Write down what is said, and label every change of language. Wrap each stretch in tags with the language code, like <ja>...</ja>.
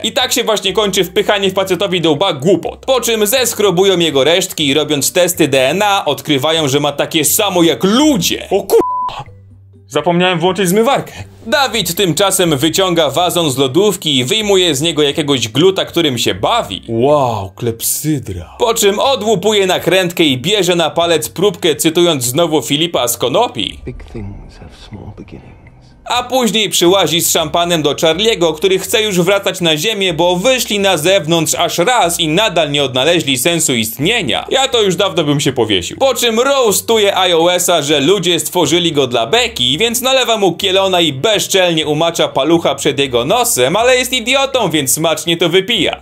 <pl>I tak się właśnie kończy wpychanie facetowi do łba głupot. Po czym zeskrobują jego resztki i robiąc testy DNA, odkrywają, że ma takie samo jak ludzie. O kurwa! Zapomniałem włączyć zmywarkę. Dawid tymczasem wyciąga wazon z lodówki i wyjmuje z niego jakiegoś gluta, którym się bawi. Wow, klepsydra. Po czym odłupuje nakrętkę i bierze na palec próbkę, cytując znowu Filipa z konopi.</pl> <en>Big things have small beginnings.</en> <pl>A później przyłazi z szampanem do Charlie'ego, który chce już wracać na ziemię, bo wyszli na zewnątrz aż raz i nadal nie odnaleźli sensu istnienia. Ja to już dawno bym się powiesił. Po czym roastuje iOS-a, że ludzie stworzyli go dla beki, więc nalewa mu kielona i bezczelnie umacza palucha przed jego nosem, ale jest idiotą, więc smacznie to wypija.</pl>